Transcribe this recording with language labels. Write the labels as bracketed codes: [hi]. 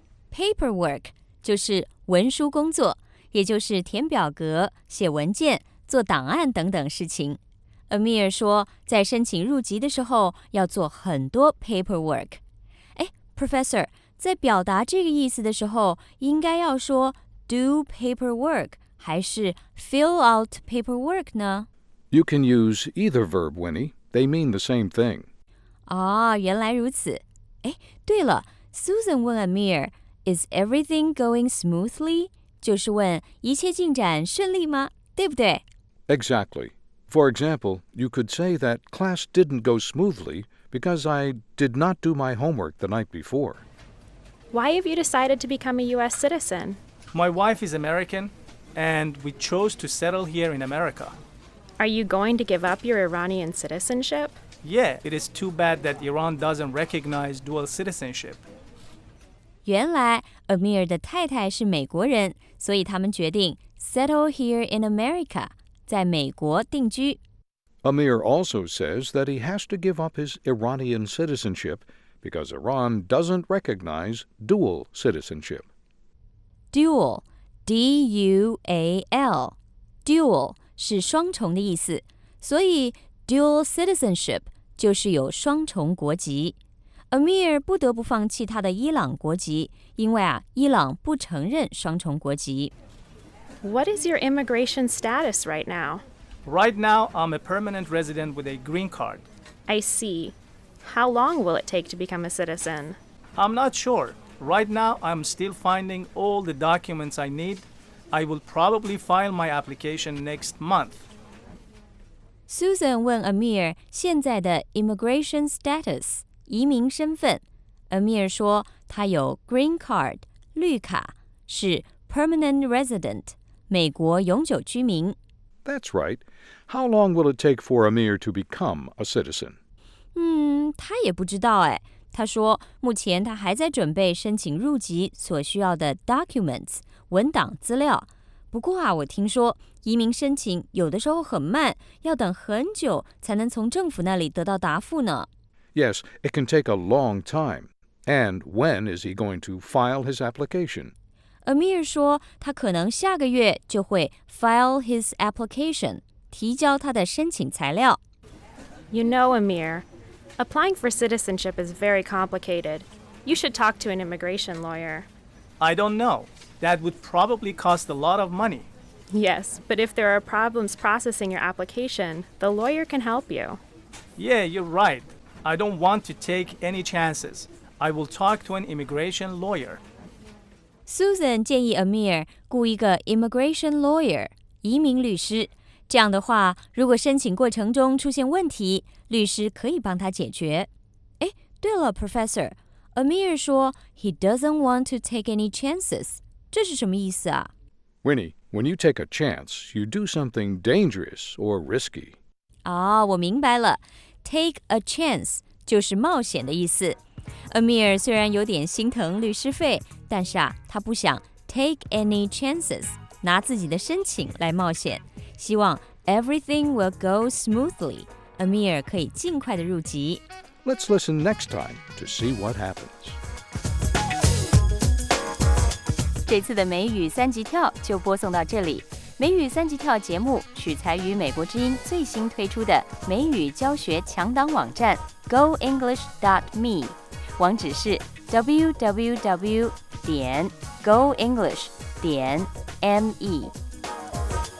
[zh] Paperwork 就是文书工作。也就是填表格、写文件、做档案等等事情。 Amir 说，在申请入籍的时候要做很多 paperwork。哎 ，Professor， 在表达这个意思的时候，应该要说 [en] do paperwork [zh] 还是 [en] fill out paperwork 呢? You can use either verb, Winnie. They mean the same thing. [zh] 哦，原来如此。哎，对了， Susan 问 Amir, [en] is everything going smoothly? [zh] 就是问一切进展顺利吗？对不对？ [en] Exactly. For example, you could say that class didn't go smoothly because I did not do my homework the night before. Why have you decided to become a U.S. citizen? My wife is American, and we chose to settle here in America. Are you going to give up your Iranian citizenship? Yeah, it is too bad that Iran doesn't recognize dual citizenship. [zh] 原来 Amir 的太太是美国人，所以他们决定 [en] settle here in America, [zh] 在美国定居。 [en] Amir also says that he has to give up his Iranian citizenship because Iran doesn't recognize dual citizenship. [zh] Dual, D-U-A-L, dual 是双重的意思，所以 dual citizenship 就是有双重国籍。 Amir 不得不放弃他的伊朗国籍，因为啊，伊朗不承认双重国籍。 [en] What is your immigration status right now? Right now, I'm a permanent resident with a green card. I see. How long will it take to become a citizen? I'm not sure. Right now, I'm still finding all the documents I need. I will probably file my application next month. [zh] Susan 问 Amir 现在的 immigration status, 移民身份。 Amir 说他有 green card, 绿卡，是 permanent resident, 美国永久居民。 [en] That's right. How long will it take for Amir to become a citizen? [zh] 他也不知道哎。他说目前他还在准备申请入籍所需要的 documents, 文档资料。不过啊，我听说移民申请有的时候很慢，要等很久才能从政府那里得到答复呢。 [en] Yes, it can take a long time. And when is he going to file his application? [zh] Amir 说他可能下个月就会 [en] file his application, [zh] 提交他的申请材料。 [en] You know, Amir, applying for citizenship is very complicated. You should talk to an immigration lawyer. I don't know. That would probably cost a lot of money. Yes, but if there are problems processing your application, the lawyer can help you. Yeah, you're right. I don't want to take any chances. I will talk to an immigration lawyer. [zh] Susan 建议 Amir 雇一个 immigration lawyer, 移民律师。这样的话，如果申请过程中出现问题，律师可以帮他解决。哎，对了 ,Professor, Amir 说 [en] he doesn't want to take any chances. [zh] 这是什么意思啊 [en] ?Winnie, when you take a chance, you do something dangerous or risky. [zh] 哦，我明白了。 Take a chance 就是冒险的意思。Amir 虽然有点心疼律师费，但是啊，他不想 [en] take any chances, [zh] 拿自己的申请来冒险。希望 [en] everything will go smoothly, [zh] Amir 可以尽快的入籍。 [en] Let's listen next time to see what happens. [zh] 这次的美语三级跳就播送到这里。美语三级跳节目取材于美国之音最新推出的美语教学强档网站 goenglish.me。网址是 www.goenglish.me。